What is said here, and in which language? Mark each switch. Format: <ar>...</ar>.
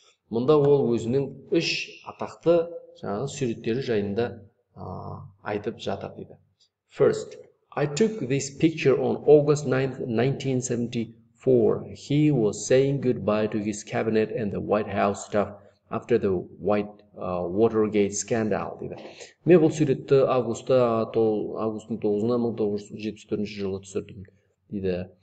<kk>Мұнда ол өзінің үш атақты жаңа суреттері жайында айтып жатыр дейді.</kk> <en>First, I took this picture on August 9th, 1970. For he was saying goodbye to his cabinet and the White House staff after the White Watergate scandal.</en> <kk>Мен бұл суретті августтың 9-ына 1974 жылы түсірдім. Дейді.</kk>